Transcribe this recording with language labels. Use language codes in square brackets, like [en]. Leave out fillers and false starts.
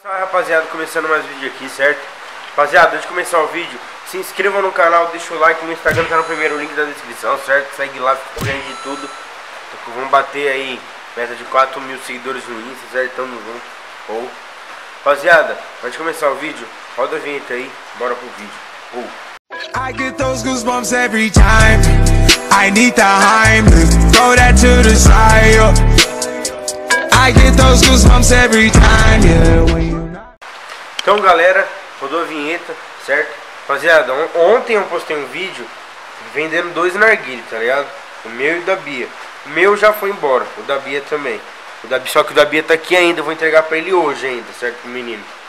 [pt] rapaziada, começando mais vídeo aqui, certo? Rapaziada, antes de começar o vídeo, se inscrevam no canal, deixa o like no Instagram, tá no primeiro link da descrição, certo? Segue lá, fica por dentro de tudo. Então, vamos bater aí meta de 4 mil seguidores no Insta, certo? Tamo junto. Ou. Rapaziada, antes de começar o vídeo, roda a vinheta aí, bora pro vídeo. Ou. [en] I get those goosebumps every time. I need the Heimlich. Throw that to the side, yo. I get those goosebumps every time, yeah. [pt] Então, galera, rodou a vinheta, certo? Rapaziada, ontem eu postei um vídeo vendendo dois narguilhos, tá ligado? O meu e o da Bia. O meu já foi embora, o da Bia também. Só que o da Bia tá aqui ainda, eu vou entregar pra ele hoje ainda, certo? O menino.